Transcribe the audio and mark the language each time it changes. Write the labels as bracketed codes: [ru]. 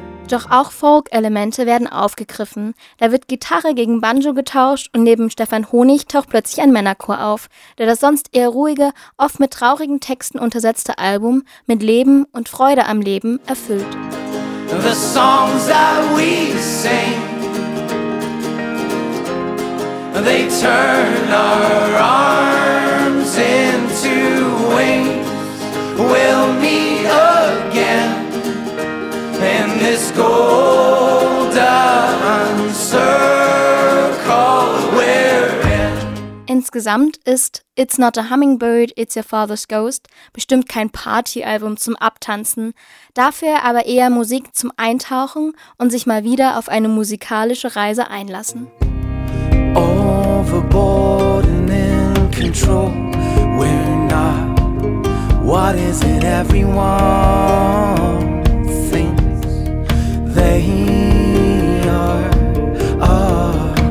[de] Doch auch Folk-Elemente werden aufgegriffen. Da wird Gitarre gegen Banjo getauscht und neben Stefan Honig taucht plötzlich ein Männerchor auf, der das sonst eher ruhige, oft mit traurigen Texten untersetzte Album mit Leben und Freude am Leben erfüllt. [en] The songs that we sing, they turn our arms into wings. We'll meet again in this golden circle we're in. [de] Insgesamt ist It's Not a Hummingbird, It's Your Father's Ghost bestimmt kein Partyalbum zum Abtanzen, dafür aber eher Musik zum Eintauchen und sich mal wieder auf eine musikalische Reise einlassen. [en] Overboard and in control, we're not. What is it everyone thinks they are?